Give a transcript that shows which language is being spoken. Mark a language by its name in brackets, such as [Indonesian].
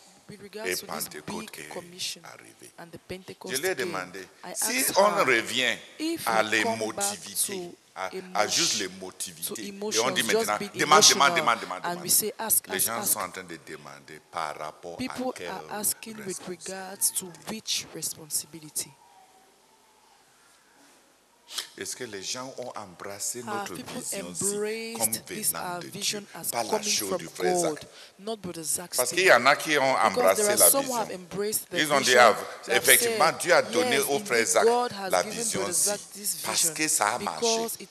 [French] Et Pentecôte est arrivé. Je lui ai demandé, si on revient à l'émotivité, à juste l'émotivité. Et on dit maintenant, demande. Les gens sont en train de demander par rapport à quelle responsabilité. [English] People are asking with regards to which responsibility. [French] Est-ce que les gens ont embrassé notre vision-ci comme venant de Dieu, pas la chose du frère Zach? Parce qu'il y en a qui ont embrassé la vision. Ils ont dit, effectivement, Dieu a donné au frère Zach la vision-ci parce que ça a marché.